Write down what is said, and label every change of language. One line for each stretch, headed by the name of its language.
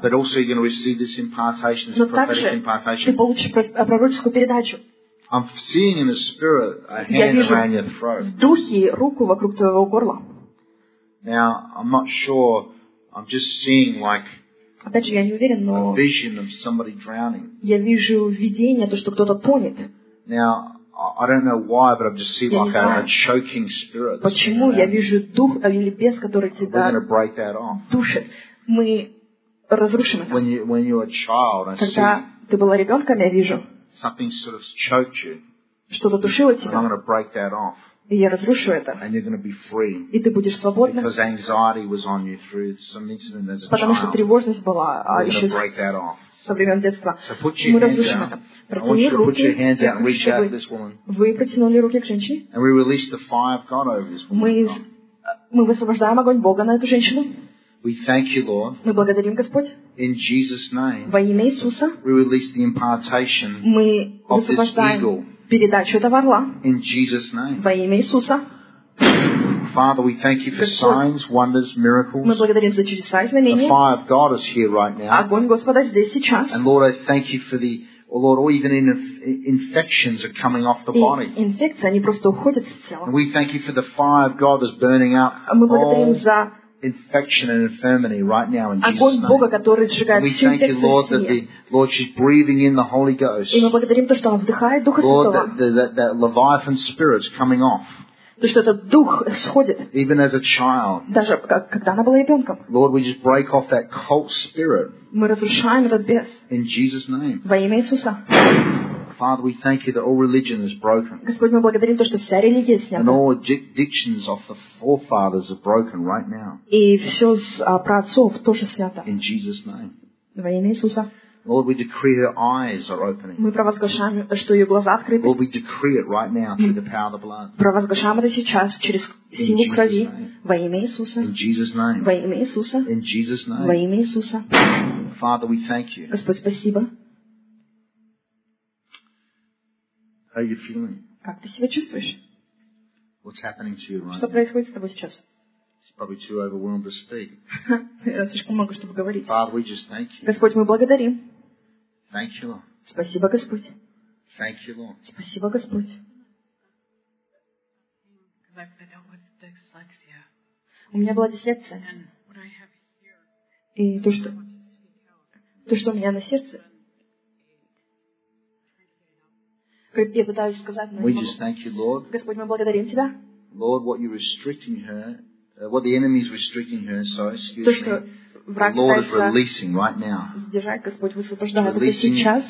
English: But also you're going to receive this impartation, this prophetic impartation.
Russian: Ты получишь пророческую передачу.
English: I'm seeing in the spirit a hand around your throat.
Russian: В духе руку вокруг твоего горла.
English: Now I'm not sure. I'm just seeing like.
Russian: Опять же, я не уверен, но.
English: A vision of somebody drowning.
Russian: Я вижу видение, то что кто-то тонет.
English: Now I don't know why, but I just see like a choking spirit.
Russian: Почему я вижу дух или бес, который тебя душит? Мы разрушим это.
English: When you were a child, I see.
Russian: Когда ты была ребенком, я вижу.
English: Something sort of choked you.
Russian: Что-то душило тебя.
English: I'm going to break that off.
Russian: И я разрушу это.
English: And you're going to be free.
Russian: И ты будешь свободна.
English: Because anxiety was on you through some incident as a child.
Russian: Потому что тревожность была еще.
English: We're going to break that off.
Russian: Со времен детства.
English: So put your hands down.
Russian: Протяни руки. Вы протянули руки к женщине.
English: And we release the fire of God over this woman.
Russian: Мы высвобождаем огонь Бога на эту женщину.
English: We thank you, Lord.
Russian: Мы благодарим Господь.
English: In Jesus' name.
Russian: Во имя Иисуса.
English: We release the impartation.
Russian: Мы высвобождаем передачу этого орла.
English: In Jesus' name.
Russian: Во имя Иисуса.
English: Father, we thank you for signs, wonders, miracles.
Russian: Мы благодарим за чудеса и знамения.
English: The fire of God is here right now.
Russian: Огонь Господа здесь сейчас.
English: And Lord, I thank you for the, Lord, or even infections are coming off the body.
Russian: Инфекции они просто уходят с тела.
English: We thank you for the fire of God that's burning out.
Russian: Мы благодарим за
English: infection and infirmity right now in Jesus' name.
Russian: Огонь Бога, который сжигает все инфекции.
English: We thank you, Lord, that the Lord she's breathing in the Holy Ghost.
Russian: И мы благодарим то, что он вдыхает Духа Святого.
English: Lord, that Leviathan spirit's coming off.
Russian: То, что этот дух сходит.
English: Even as a child.
Russian: Даже когда она была ребенком.
English: Lord, we just break off that cult spirit.
Russian: Мы разрушаем этот бес.
English: In Jesus' name.
Russian: Во имя Иисуса.
English: Father, we thank you that all religion is broken.
Russian: Господь, мы благодарим то, что вся религия снята.
English: And all addictions of the forefathers are broken right now.
Russian: И все с праотцов тоже снято.
English: In Jesus' name.
Russian: Во имя Иисуса.
English: Lord, we decree her eyes are opening.
Russian: Мы провозглашаем, что ее глаза открыты.
English: Lord, we decree it right now through the power of the blood.
Russian: Провозглашаем это сейчас через силу крови во имя Иисуса.
English: In Jesus' name.
Russian: Во имя Иисуса.
English: In Jesus' name.
Russian: Во имя Иисуса.
English: Father, we thank you.
Russian: Господь, спасибо.
English: How are you feeling?
Russian: Как ты себя чувствуешь?
English: What's happening to you right now?
Russian: Что происходит с тобой сейчас?
English: Probably too overwhelmed to speak.
Russian: Я слишком много, чтобы говорить.
English: Father, we just thank you.
Russian: Господь, мы благодарим.
English: Thank you, Lord.
Russian: Спасибо, Господь.
English: Thank you, Lord.
Russian: Спасибо, Господь.
English: I dealt with dyslexia.
Russian: У меня была дислексия. И то, что у меня на сердце. Я пытаюсь сказать, но
English: we just thank you, Lord.
Russian: Господь, мы благодарим тебя.
English: Lord, what you're restricting her. What the enemy is restricting her, so excuse
Russian: то, что
English: me.
Russian: Враг
English: the Lord is releasing right now.
Russian: Сдержать, Господь, высвобождает это сейчас.